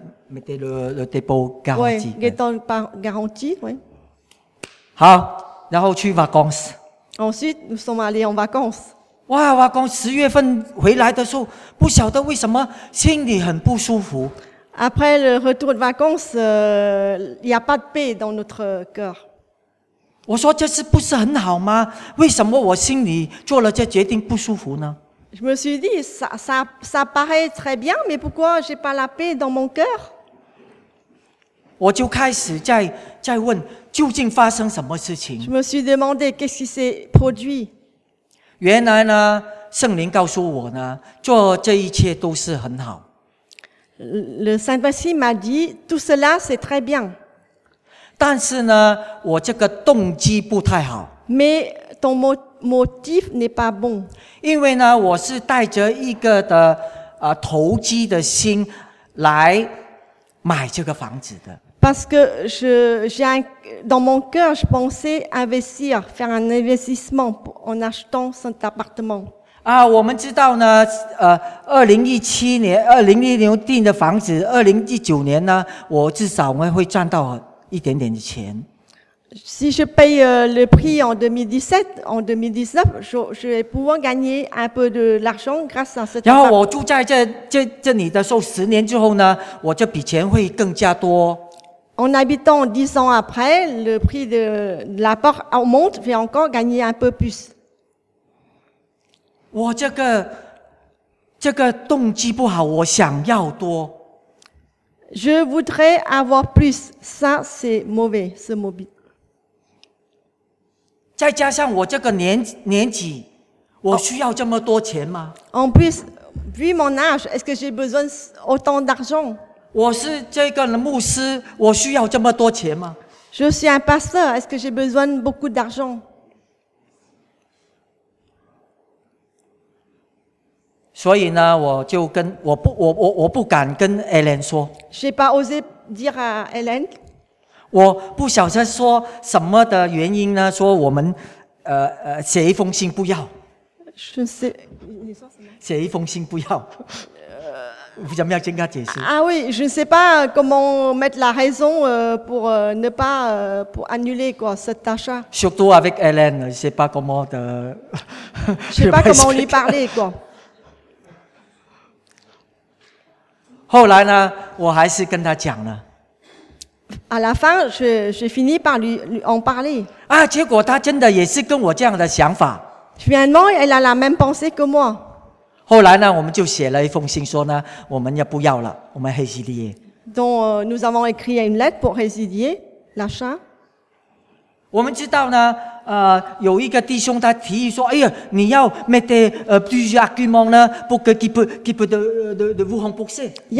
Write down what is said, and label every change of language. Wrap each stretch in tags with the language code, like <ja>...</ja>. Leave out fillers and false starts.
<fr>Mettez le dépôt garanti. Oui, dépôt garanti, oui.</fr> <zh>好，然后去 vacances.</zh> <fr>Ensuite, nous sommes allés en vacances.</fr> <zh>哇 ，vacances 十月份回来的时候，不晓得为什么心里很不舒服。</zh> <fr>Après le retour de vacances, il n'y a pas de paix dans notre cœur.</fr> <zh>我说这是不是很好吗？为什么我心里做了这决定不舒服呢</zh> <fr>？Je me suis dit ça paraît très bien, mais pourquoi j'ai pas la paix dans mon cœur？</fr> <zh>我就开始在问究竟发生什么事情</zh> <fr>？Je me suis demandé qu'est-ce qui s'est produit？</fr> <zh>原来呢，圣灵告诉我呢，做这一切都是很好。</zh> <fr>Le Saint-Esprit m'a dit tout cela c'est très bien。</fr> <zh>但是呢，我这个动机不太好。</zh> <fr>Mais ton motif n'est pas bon.</fr> <zh>因为呢，我是带着一个的投机的心来买这个房子的。</zh> <fr>Parce que dans mon cœur, je pensais investir, faire un investissement en achetant cet appartement.</fr> <zh>啊，我们知道呢，2017年、2016年订的房子，2019年呢，我至少会赚到。一点点的钱。</zh> <fr>Si je paye le prix en 2017, en 2019, je vais pouvoir gagner un peu de l'argent grâce à ce.</fr> <zh>然后我住在这里的时候，十年之后呢，我这笔钱会更加多。</zh> <fr>En habitant 10 ans après, le prix de l'appart augmente, je vais encore gagner un peu plus.</fr> <zh>我这个动机不好，我想要多。</zh> <fr>Je voudrais avoir plus. Ça, c'est mauvais, ce mobile.</fr> <zh>再加上我这个年纪，我需要这么多钱吗</zh> <fr>？En plus, vu mon âge, est-ce que j'ai besoin autant d'argent？</fr> <zh>我是这个牧师，我需要这么多钱吗</zh> <fr>？Je suis un pasteur. Est-ce que j'ai besoin beaucoup d'argent？</fr> <zh>所以呢，我就跟我不敢跟 Ellen 说。</zh> <fr>J'ai pas osé dire à Ellen.</fr> <zh>我不晓得说什么的原因呢？说我们写一封信不要。是谁？你说什么？写一封信不要。怎么样？先跟他解释。</zh> <fr>Ah oui, je ne sais pas comment mettre la raison pour ne pas pour annuler quoi cet achat. Surtout avec Ellen, je ne sais pas comment de. Je ne sais pas comment lui parler quoi.</fr> <zh>后来呢，我还是跟他讲了。</zh> <fr>À la fin, j'ai fini par lui en parler.</fr> <zh>啊，结果他真的也是跟我这样的想法。</zh> <fr>Finalement, elle a la même pensée que moi.</fr> <zh>后来呢，我们就写了一封信说呢，我们要不要了，我们résilier。</zh> <fr>Donc, nous avons écrit une lettre pour résilier l'achat.</fr> <zh>我们知道呢，有一个弟兄他提议说，哎呀，你要</zh> <fr>mettre plusieurs arguments</fr> <zh>呢</zh> <fr>pour que qui peut de vous rembourser.</fr>